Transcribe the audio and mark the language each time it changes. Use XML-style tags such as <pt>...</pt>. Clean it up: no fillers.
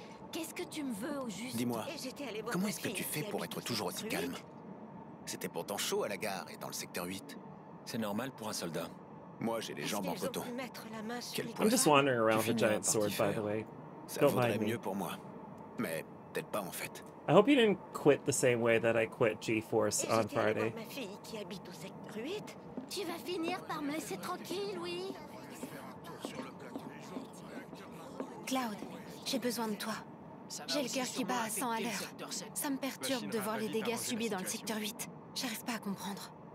<fr>Qu'est-ce que tu me veux au juste? Dis-moi, comment est-ce que tu fais pour être toujours aussi calme? C'était pourtant chaud à la gare et dans le secteur 8. C'est normal pour un soldat. Moi, j'ai les jambes en coton.</fr> <en>I'm just wandering around with a giant sword, by the way.</en> <fr>Ça vaudrait mieux pour moi. Mais peut-être pas, en fait.</fr> <en>I hope you didn't quit the same way that I quit G-Force on Friday.</en> <fr>Ma fille qui habite au secteur 8. Tu vas finir par me laisser tranquille, oui. Cloud, j'ai besoin de toi. J'ai le cœur qui bat à 100 à l'heure. Ça me perturbe de voir les dégâts subis dans le secteur 8. J'arrive pas à comprendre.</fr>